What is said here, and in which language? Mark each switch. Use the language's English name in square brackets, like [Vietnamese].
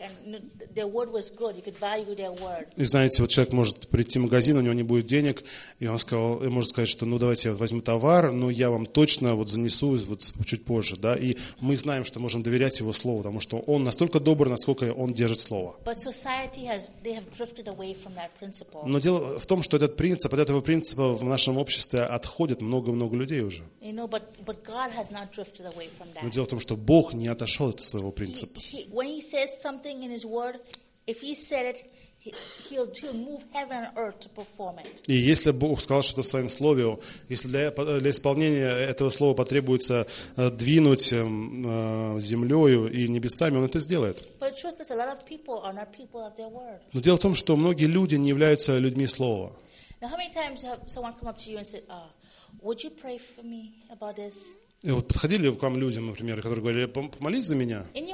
[English] And their word was good. You could value their word. [Russian] И знаете, вот человек может прийти в магазин, у него не будет денег, и он сказал, и может сказать, что, ну, давайте я возьму товар, но я вам точно вот занесу вот чуть позже, да. И мы знаем, что можем доверять его слову, потому что он настолько добр, насколько он держит слово. [English] But society has, they have drifted away from that principle. [Russian] Но дело в том, что этот принцип, от этого принципа в нашем обществе отходит много-много людей уже. [English] You know, but God has not drifted away from that. [Russian] Но дело в том, что Бог не отошел от своего принципа. [English] When he says something in his word, if he said it, He'll move heaven and earth to perform it. [Russian] И если Бог сказал что-то в своем слове, если для исполнения этого слова потребуется двинуть землею и небесами, он это сделает. [English] But truth is, a lot of people are not people of their word. [Russian] Но дело в том, что многие люди не являются людьми слова. [English] Now, how many times have someone come up to you and said, "Would you pray for me about this?" [Russian] И вот подходили к вам людям, например, которые говорили, помолись за меня.